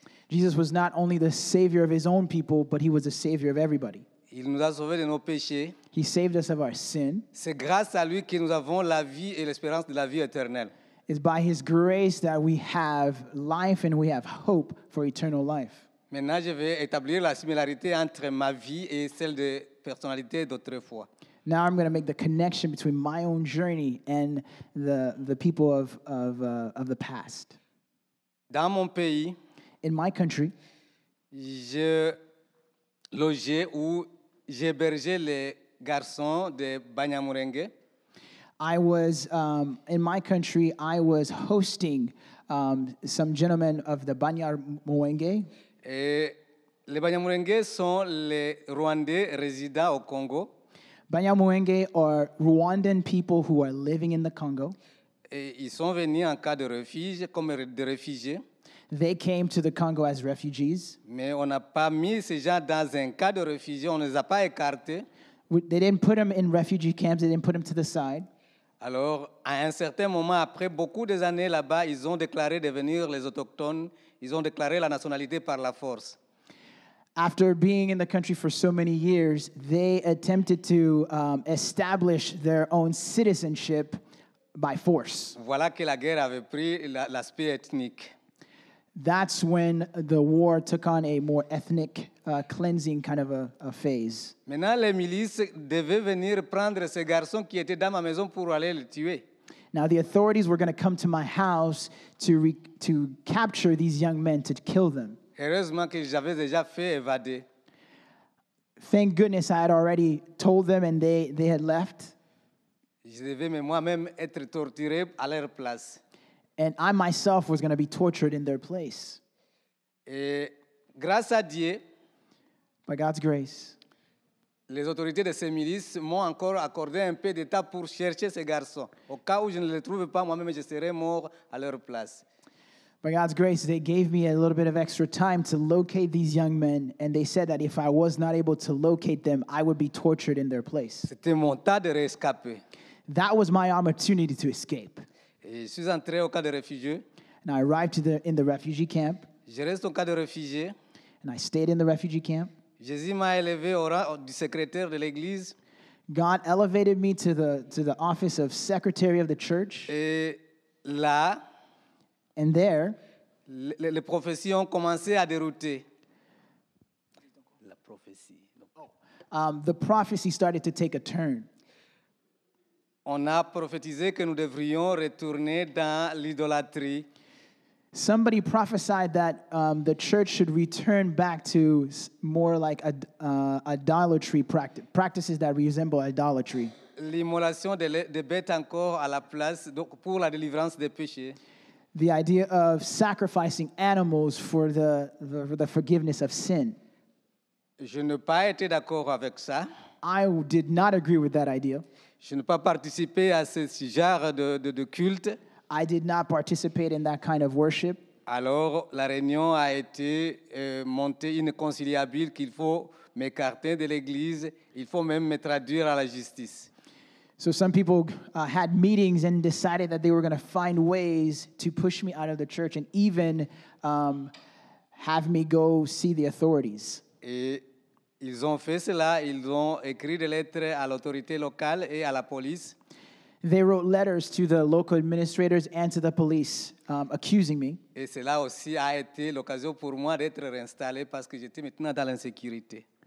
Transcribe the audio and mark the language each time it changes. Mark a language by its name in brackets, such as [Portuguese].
[English] Jesus was not only the Savior of his own people, but he was the Savior of everybody. [French] Il nous a sauvés de nos péchés. [English] He saved us of our sin. [French] C'est grâce à lui que nous avons la vie et l'espérance de la vie éternelle. [English] It's by his grace that we have life and we have hope for eternal life. [French] Maintenant, je vais établir la similarité entre ma vie et celle des personnalités d'autrefois. [English] Now I'm going to make the connection between my own journey and the people of the past. [French] Dans mon pays, [English] in my country, [French] je logeais ou j'hébergeais les garçons de Banyamulenge. [English] I was in my country. I was hosting some gentlemen of the Banyamulenge. [French] Les Banyamulenge sont les Rwandais résidant au Congo. [English] Banyamulenge are Rwandan people who are living in the Congo. [French] ils sont venus en cas de refuge, comme des réfugiés. [English] They came to the Congo as refugees. [French] Mais on n'a pas mis ces gens dans un cas de réfugié, on ne les a pas écartés. [English] They didn't put them in refugee camps, they didn't put them to the side. [French] Alors, à un certain moment, après beaucoup d'années là-bas, ils ont déclaré devenir les autochtones, ils ont déclaré la nationalité par la force. [English] After being in the country for so many years, they attempted to establish their own citizenship by force. [French] Voilà que la guerre avait pris l'aspect ethnique. [English] That's when the war took on a more ethnic cleansing kind of a phase. [French] Maintenant, les milices devaient venir prendre ces garçons qui étaient dans ma maison pour aller les tuer. [English] Now the authorities were going to come to my house to capture these young men to kill them. [French] Heureusement que j'avais déjà fait évader. [English] Thank goodness I had already told them and they had left. [French] Je devais moi-même être torturé à leur place. [English] And I myself was going to be tortured in their place. [French] Et grâce à Dieu, [English] by God's grace, [French] les autorités de ces milices m'ont encore accordé un peu de temps pour chercher ces garçons. Au cas où je ne les trouve pas, moi-même je serai mort à leur place. [English] By God's grace, they gave me a little bit of extra time to locate these young men, and they said that if I was not able to locate them, I would be tortured in their place. [French] C'était mon temps de réescaper. [English] That was my opportunity to escape. [French] Et je suis entré au camp de réfugiés. [English] And I arrived in the refugee camp. [French] Je reste au camp de réfugiés. [English] And I stayed in the refugee camp. [French] Jésus m'a élevé au rang du secrétaire de l'église. [English] God elevated me to the office of secretary of the church. [French] Et là, [English] and there, [French] les prophéties ont commencé à dérouter. [English] The prophecy started to take a turn. [French] On a prophétisé que nous devrions retourner dans l'idolâtrie. [English] Somebody prophesied that the church should return back to more like idolatry practices that resemble idolatry. [French] L'immolation des bêtes encore à la place donc pour la délivrance des péchés. [English] The idea of sacrificing animals for the forgiveness of sin. [French] Je n'ai pas été d'accord avec ça. [English] I did not agree with that idea. [French] Je n'ai pas participé à ce genre de culte. [English] I did not participate in that kind of worship. [French] Alors, la réunion a été montée inconciliable qu'il faut m'écarter de l'église, il faut même me traduire à la justice. [English] So some people had meetings and decided that they were going to find ways to push me out of the church and even have me go see the authorities. [French] Et ils ont fait cela, ils ont écrit des lettres à l'autorité locale et à la police. [English] They wrote letters to the local administrators and to the police accusing me. [French] Et cela aussi a été l'occasion pour moi d'être réinstallé parce que j'étais maintenant dans l'insécurité.